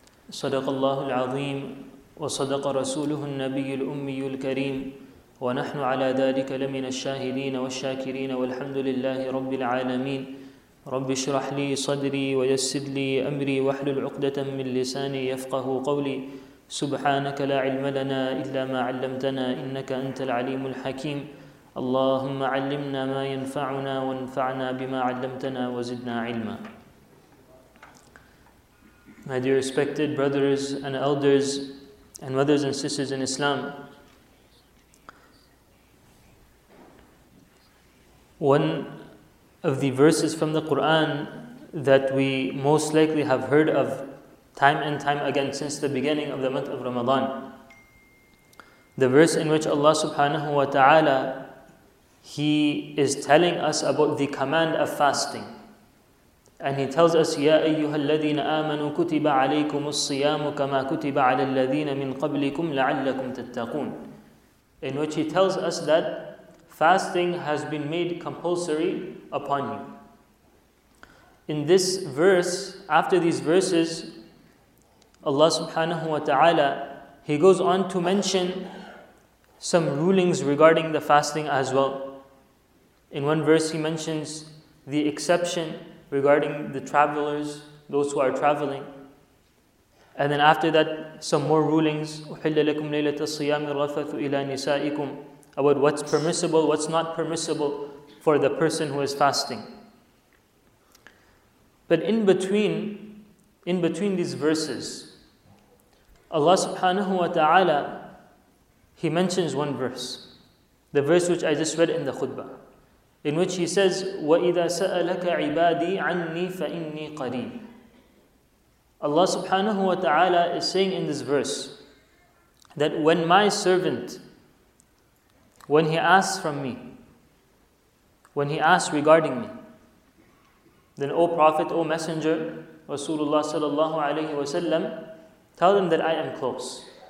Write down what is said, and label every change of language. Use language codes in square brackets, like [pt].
[ar] صدق الله العظيم وصدق رسوله النبي الأمي الكريم ونحن على ذلك لمن الشاهدين والشاكرين والحمد لله رب العالمين رب اشرح لي صدري ويسر لي أمري واحلل عقدة من لساني يفقه قولي سبحانك لا علم لنا إلا ما علمتنا إنك أنت العليم الحكيم اللهم علمنا ما ينفعنا وانفعنا بما علمتنا وزدنا علما. [en] My dear respected brothers and elders and mothers and sisters in Islam, one of the verses from the Quran that we most likely have heard of time and time again since the beginning of the month of Ramadan, the verse in which Allah subhanahu wa ta'ala, He is telling us about the command of fasting. And he tells us, [ar] يَا أَيُّهَا الَّذِينَ آمَنُوا كُتِبَ عَلَيْكُمُ الصِّيَامُ كَمَا كُتِبَ عَلَى الَّذِينَ مِنْ قَبْلِكُمْ لَعَلَّكُمْ تَتَّقُونَ. [en] In which he tells us that fasting has been made compulsory upon you. In this verse, after these verses, Allah subhanahu wa ta'ala, He goes on to mention some rulings regarding the fasting as well. In one verse, He mentions the exception regarding the travelers, those who are traveling. And then after that, some more rulings. [ar] أُحِلَّ لَكُمْ لَيْلَةَ الصِّيَامِ الرَّفَثُ إِلَى نِسَائِكُمْ. [en] About what's permissible, what's not permissible for the person who is fasting. But in between these verses, Allah subhanahu wa ta'ala, He mentions one verse. The verse which I just read in the khutbah. In which he says, [ar] وَإِذَا سَأَلَكَ عِبَادِي عَنِّي فَإِنِّي قَرِيبٌ. [en] Allah subhanahu wa ta'ala is saying in this verse that when my servant, when he asks from me, when he asks regarding me, then O Prophet, O Messenger, Rasulullah sallallahu alayhi wa sallam, tell them that I am close.